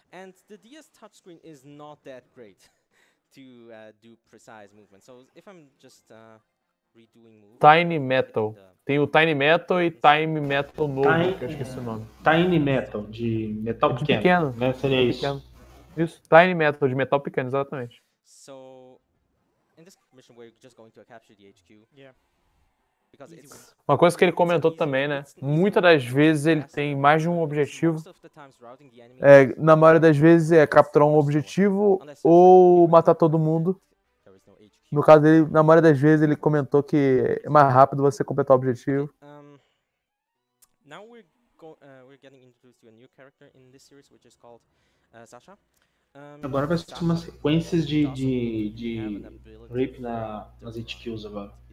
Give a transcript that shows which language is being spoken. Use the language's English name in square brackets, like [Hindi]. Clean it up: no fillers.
[English] And the DS touchscreen is not that great to do precise movement. So if I'm just redoing moves... Tiny Metal. [Portuguese] Tem o Tiny Metal e Time Metal novo, que eu esqueci o nome. Tiny Metal, de metal pequeno. Pequeno. Né? Seria isso. Pequeno. Isso, Tiny Metal, de metal pequeno, exatamente. [English] So, in this mission we're just going to capture the HQ. Yeah. Because it's... [Portuguese] Uma coisa que ele comentou também, né? Muitas das vezes ele tem mais de um objetivo. É, na maioria das vezes é capturar um objetivo ou matar todo mundo. No caso dele, na maioria das vezes ele comentou que é mais rápido você completar o objetivo. [English] Now we're getting introduced to a new character in this series, which is called Sasha. [Portuguese] Agora vai ser umas sequências de rip nas HQs agora.